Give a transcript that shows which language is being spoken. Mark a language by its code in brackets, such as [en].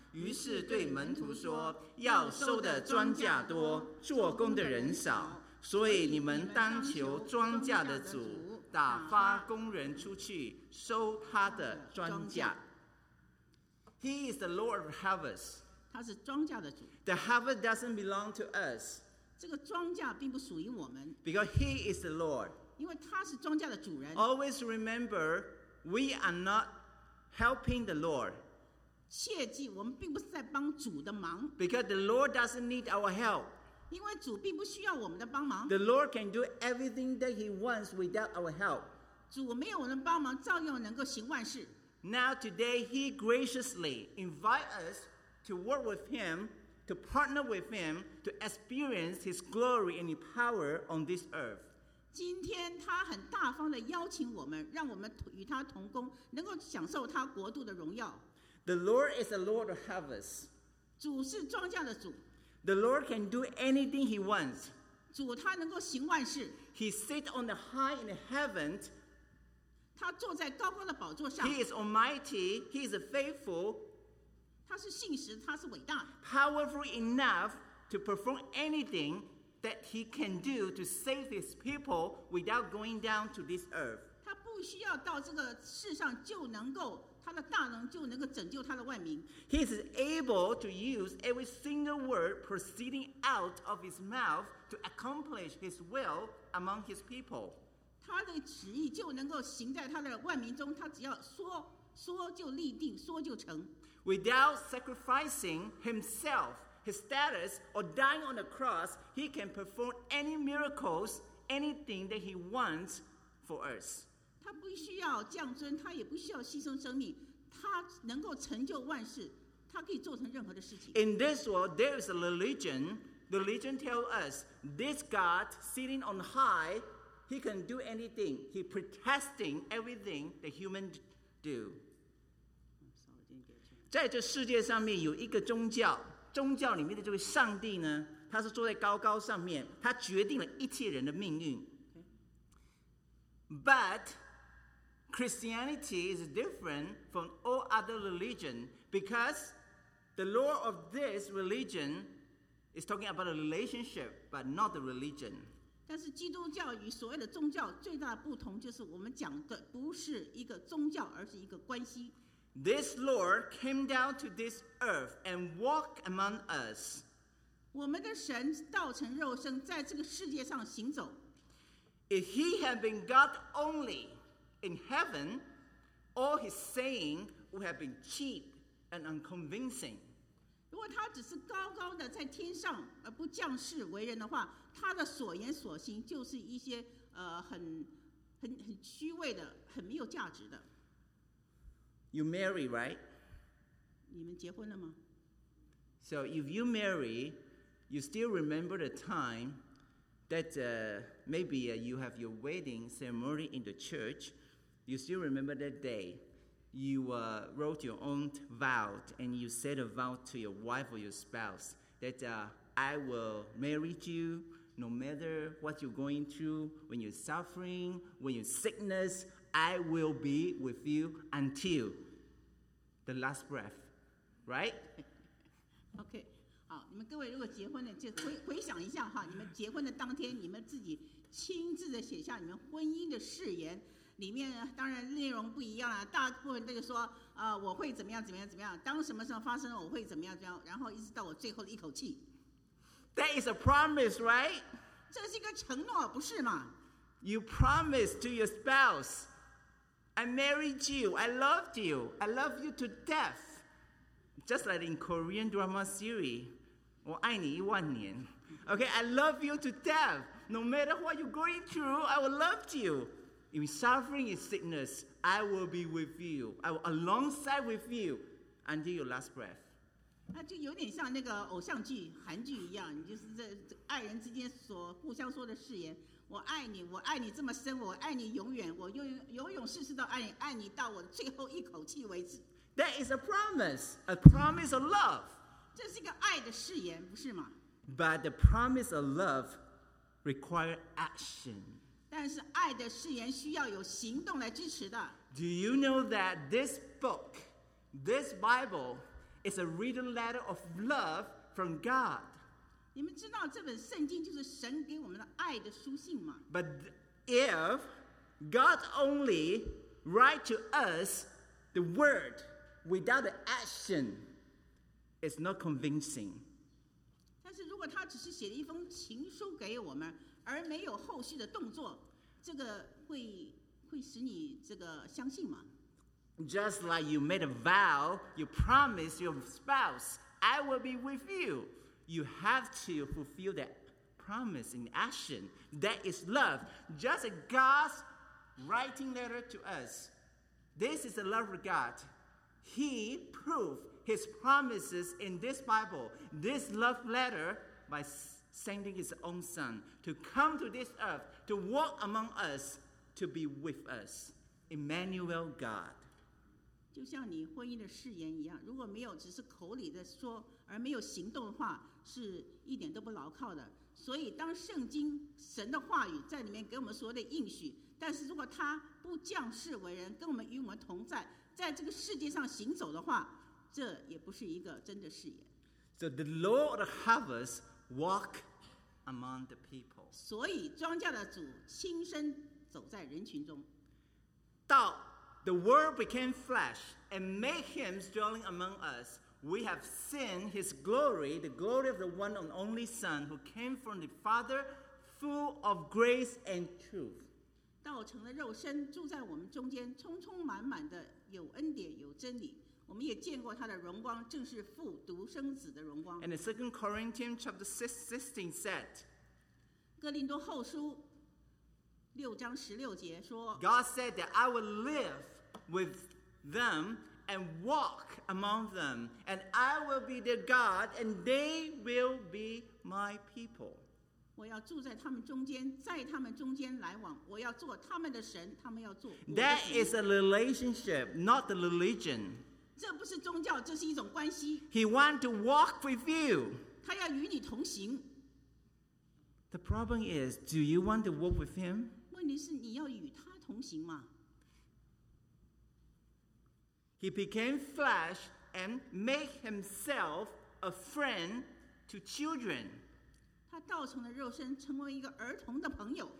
[zh] 于是对门徒说，要收的庄稼多，做工的人少，所以你们当求庄稼的主打发工人出去收他的庄稼。 [en] He is the Lord of harvest. [zh] 他是庄稼的主。 [en] The harvest doesn't belong to us. [zh] 这个庄稼并不属于我们。 [en] Because he is the Lord. [zh] 因为他是庄稼的主人。 [en] Always remember, we are not helping the Lord. [zh] 切记，我们并不是在帮主的忙。 [en] Because the Lord doesn't need our help. [zh] 因为主并不需要我们的帮忙。 [en] The Lord can do everything that He wants without our help. [zh] 主没有我们的帮忙，照样能够行万事。 [en] Now today He graciously invites us to work with Him, to partner with Him, to experience His glory and His power on this earth. [zh] 今天他很大方地邀请我们，让我们与他同工，能够享受他国度的荣耀。 [en] The Lord is the Lord of harvest. [zh] 主是庄稼的主。 [en] The Lord can do anything He wants. [zh] 主他能够行万事。 [en] He sits on the high in the heaven. [zh] 他坐在高高的宝座上。 [en] He is almighty. He is faithful. [zh] 他是信实，他是伟大。 [en] Powerful enough to perform anything that He can do to save His people without going down to this earth. [zh] 他不需要到这个世上就能够。他的大能就能够拯救他的万民。 [en] He is able to use every single word proceeding out of his mouth to accomplish his will among his people. [zh] 他的旨意就能够行在他的万民中，他只要说，说就立定，说就成。 [en] Without sacrificing himself, his status, or dying on the cross, he can perform any miracles, anything that he wants for us. [zh] 他不需要降尊，他也不需要牺牲生命，他能够成就万事，他可以做成任何的事情。 [en] In this world, there is a religion. The religion tells us this God sitting on high, He can do anything. He protesting everything the human do. [zh] 在这世界上面有一个宗教，宗教里面的这位上帝呢，他是坐在高高上面，他决定了一切人的命运。 [en] But Christianity is different from all other religion because the law of this religion is talking about a relationship, but not the religion. [zh] 但是基督教与所谓的宗教最大的不同就是我们讲的不是一个宗教，而是一个关系。 [en] This Lord came down to this earth and walked among us. [zh] 我们的神道成肉身在这个世界上行走。 [en] If He had been God only,In heaven, all his saying would have been cheap and unconvincing. [zh] 如果他只是高高的在天上而不降世为人的话，他的所言所行就是一些很虚伪的，很没有价值的。 [en] You marry, right? [zh] 你们结婚了吗？ [en] So if you marry, you still remember the time that maybe you have your wedding ceremony in the church. You still remember that day you wrote your own vow and you said a vow to your wife or your spouse that I will marry you no matter what you're going through, when you're suffering, when you're sickness, I will be with you until the last breath, right? [zh] Okay, 好，你们各位如果结婚了，就回想一下哈，你们结婚的当天，你们自己亲自的写下你们婚姻的誓言。里面当然内容不一样了，大部分都是说，我会怎么样怎么样怎么样，当什么时候发生了我会怎么样怎么样，然后一直到我最后的一口气。 [en] That is a promise, right? [zh] 这是一个承诺，不是吗？ [en] You promise to your spouse, I married you, I loved you, I love you to death. Just like in Korean drama series, [zh] 我爱你一万年。 [en] Okay, I love you to death. No matter what you're going through, I will love you. In suffering and sickness, I will be with you. I will alongside with you until your last breath. [zh] 那就有点像那个偶像剧、韩剧一样，就是这爱人之间所互相说的誓言。我爱你，我爱你这么深，我爱你永远，我永世世都爱你，爱你到我最后一口气为止。 [en] That is a promise of love. [zh] 这是一个爱的誓言，不是吗？ [en] But the promise of love requires action. [zh] 但是爱的誓言需要有行动来支持的。 [en] Do you know that this book, this Bible, is a written letter of love from God? [zh] 你们知道这本圣经就是神给我们的爱的书信吗？ [en] But if God only write to us the word without the action, it's not convincing. [zh] 但是如果他只是写了一封情书给我们，而没有后续的动作，这个会使你这个相信吗？ [en] Just like you made a vow, you promised your spouse, I will be with you. You have to fulfill that promise in action. That is love. Just a God's writing letter to us. This is the love of God. He proved his promises in this Bible, this love letter, by sending his own son to come to this earth, to walk among us, to be with us. Emmanuel, God. [zh] 就像你婚姻的誓言一样，如果没有只是口里的说而没有行动的话，是一点都不牢靠的。所以当圣经神的话语在里面给我们所有的应许，但是如果他不降世为人，跟我们与我们同在，在这个世界上行走的话，这也不是一个真的誓言。 [en] So the Lord of the harvest walk among the people. [zh] 所以庄稼的主亲身走在人群中。 [en] 到 the word became flesh and made him dwelling among us. We have seen his glory, the glory of the one and only Son who came from the Father, full of grace and truth. [zh] 道成了肉身，住在我们中间，充充满满的有恩典，有真理。我们也见过他的荣光，正是父独生子的荣光。 [en] And the Second Corinthians chapter 16 said, [zh] 哥林多后书六章十六节说， [en] God said that I will live with them and walk among them, and I will be their God, and they will be my people. [zh] 我要住在他们中间，在他们中间来往，我要做他们的神，他们要做我的神。 [en] That is a relationship, not the religion. [zh] 这不是宗教，这是一种关系。 [en] He want to walk with you. [zh] 他要与你同行。 [en] The problem is, do you want to walk with him? [zh] 问题是你要与他同行吗？ [en] He became flesh and made himself a friend to children. [zh] 他道成了肉身，成为一个儿童的朋友。